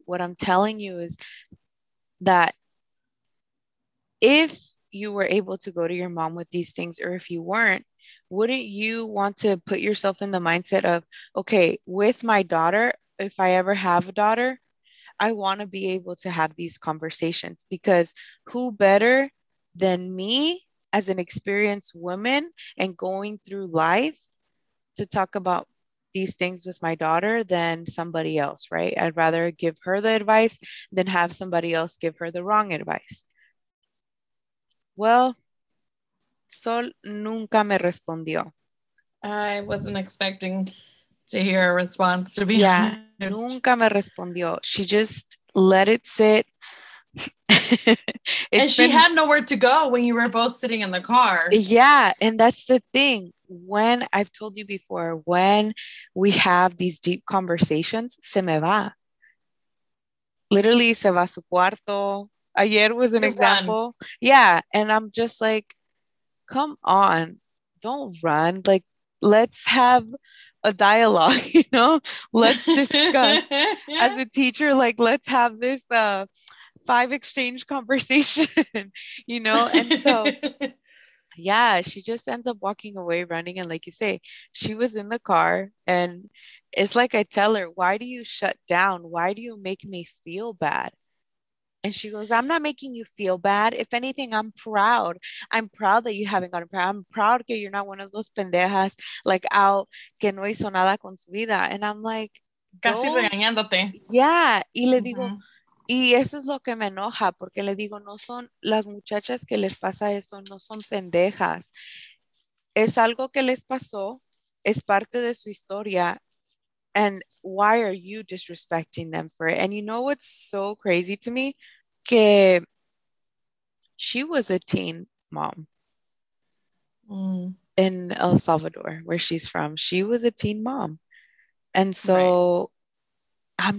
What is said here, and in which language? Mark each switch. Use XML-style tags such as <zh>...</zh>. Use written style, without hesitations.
<en>What I'm telling you is that if you were able to go to your mom with these things, or if you weren't, wouldn't you want to put yourself in the mindset of, okay, with my daughter, if I ever have a daughter, I want to be able to have these conversations, because who better than me as an experienced woman and going through life to talk about these things with my daughter than somebody else, right? I'd rather give her the advice than have somebody else give her the wrong advice.</en> <es>Well, Sol nunca me respondió.</es> <en>I wasn't expecting to hear a response, to be honest. Yeah.</en> <es>Nunca me respondió.</es> <en>She just let it sit. And she had nowhere to go when you were both sitting in the car. Yeah, and that's the thing. When I've told you before, when we have these deep conversations,</en> <es>se me va. Literally, se va su cuarto.</es> <en>Ayer was an example. Yeah, and I'm just like, come on, don't run. Like, let's have a dialogue, you know, let's discuss. Yeah. As a teacher, like, let's have this five exchange conversation, you know. And so yeah, she just ends up walking away, running, and like you say, she was in the car, and it's like, I tell her, why do you shut down? Why do you make me feel bad? And she goes, I'm not making you feel bad. If anything, I'm proud. I'm proud that you haven't gotten proud. I'm proud that you're not one of those pendejas, like, out,</en> <es>que no hizo nada con su vida.</es> <en>And I'm like,</en> <es>casi regañándote.</es> <en>Yeah.</en> <es>Y le digo, y eso es lo que me enoja, porque le digo, no son las muchachas que les pasa eso, no son pendejas. Es algo que les pasó, es parte de su historia.</es> <en>And why are you disrespecting them for it? And you know what's so crazy to me? Que she was a teen mom in El Salvador, where she's from. She was a teen mom. And so right.</en>